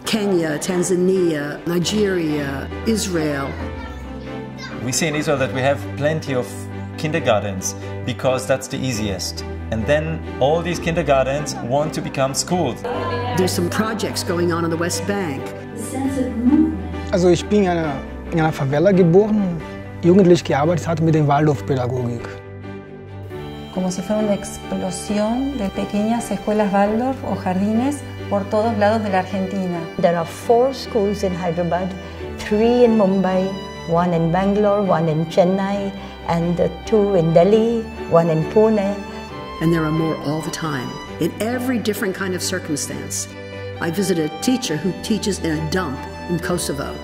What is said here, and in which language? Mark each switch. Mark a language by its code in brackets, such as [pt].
[en] Kenya, Tanzania, Nigeria, Israel. We see in Israel that we have plenty of kindergartens because that's the easiest. And then all these kindergartens want to become schools. There's some projects going on the West Bank. [de] Also ich bin in einer Favela geboren, jugendlich gearbeitet hat mit dem Waldorf-Pädagogik. [es] Como si fuera una explosión de pequeñas escuelas Waldorf o jardines por todos lados de la Argentina. [en] There are 4 schools in Hyderabad, 3 in Mumbai, 1 in Bangalore, 1 in Chennai, and 2 in Delhi, 1 in Pune. And there are more all the time, in every different kind of circumstance. I visited a teacher who teaches in a dump in Kosovo.